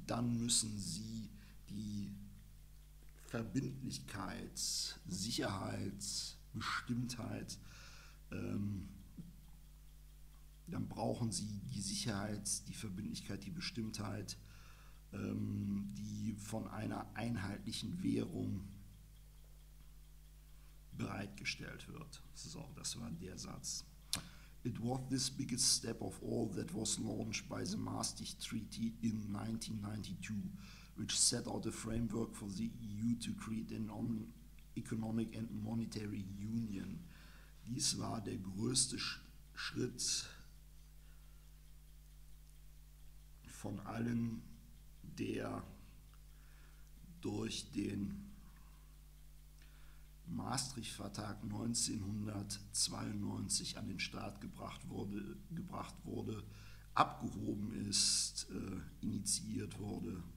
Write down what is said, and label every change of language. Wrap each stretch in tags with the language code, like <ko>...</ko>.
<de>Dann müssen sie die Verbindlichkeit, Sicherheitsbestimmtheit, dann brauchen sie die Sicherheit, die Verbindlichkeit, die Bestimmtheit, die von einer einheitlichen Währung bereitgestellt wird. So, das war der Satz.</de> <en>It was this biggest step of all that was launched by the Maastricht Treaty in 1992, which set out a framework for the EU to create an economic and monetary union.</en> <de>Dies war der größte Schritt von allen, der durch den Maastricht-Vertrag 1992 an den Start gebracht wurde, abgehoben ist, initiiert wurde.</de>